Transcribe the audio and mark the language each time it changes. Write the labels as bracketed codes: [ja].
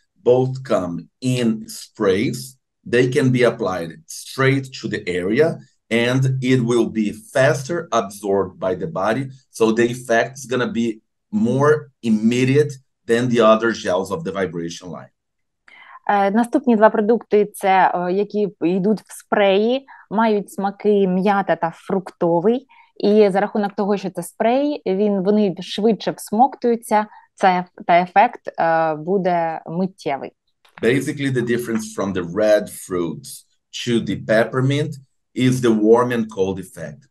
[en] Both come in sprays. They can be applied straight to the area, and it will be faster absorbed by the body. So the effect is going to be more immediate than the other gels of the vibration line. [uk] Наступні два продукти, це які йдуть в спреї, мають смаки м'ята та фруктовий. І за рахунок того, що це спрей, вони швидше всмоктуються, та ефект буде миттєвий. [en] Basically, the difference from the red fruits to the peppermint is the warm and cold effect.